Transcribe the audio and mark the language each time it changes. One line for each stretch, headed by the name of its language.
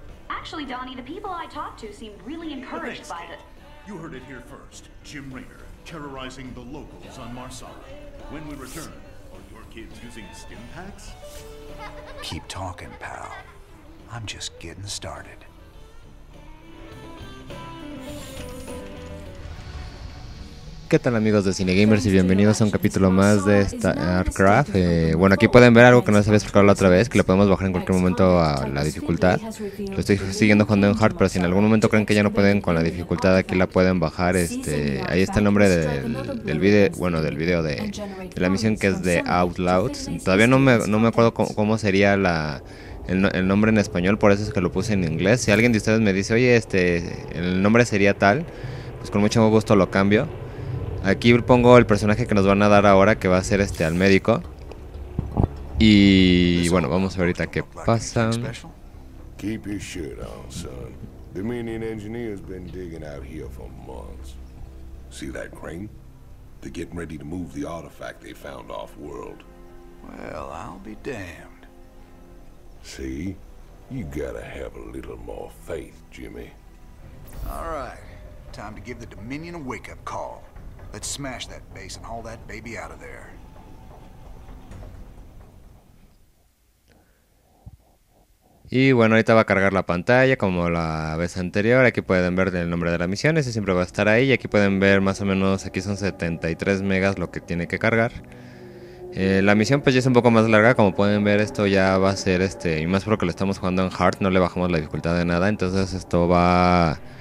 English: Actually, Donnie, the people I talked to seemed really encouraged by the... You heard it here first. Jim Rayner, terrorizing the locals on Marsara. When we return, are your kids using stim packs? Keep talking, pal. I'm just getting started.
Spanish: ¿Qué tal, amigos de Cine Gamers? Y bienvenidos a un capítulo más de StarCraft. Bueno, aquí pueden ver algo que no se había explicado la otra vez, que lo podemos bajar en cualquier momento a la dificultad. Lo estoy siguiendo jugando en Hard, pero si en algún momento creen que ya no pueden con la dificultad, aquí la pueden bajar. Ahí está el nombre del video, bueno, del video de la misión, que es de Outlaws. Todavía no me acuerdo cómo sería el nombre en español, por eso es que lo puse en inglés. Si alguien de ustedes me dice, oye, el nombre sería tal, pues con mucho gusto lo cambio. Aquí pongo el personaje que nos van a dar ahora, que va a ser al médico. Y bueno, vamos a ver ahorita qué pasa.
English: Keep your shirt on, son. The Dominion engineer's been digging out here for months. See that crane? They're getting ready to move the artifact they found off-world. Well, I'll be damned. See? You gotta have a little more faith, Jimmy. All right. Time to give the Dominion a wake-up call. Let's smash that base and haul that baby out of there.
Spanish: Y bueno, ahorita va a cargar la pantalla como la vez anterior. Aquí pueden ver el nombre de la misión, ese siempre va a estar ahí. Y aquí pueden ver más o menos, aquí son 73 megas lo que tiene que cargar. La misión pues ya es un poco más larga, como pueden ver esto ya va a ser y más porque lo estamos jugando en hard, no le bajamos la dificultad de nada, entonces esto va.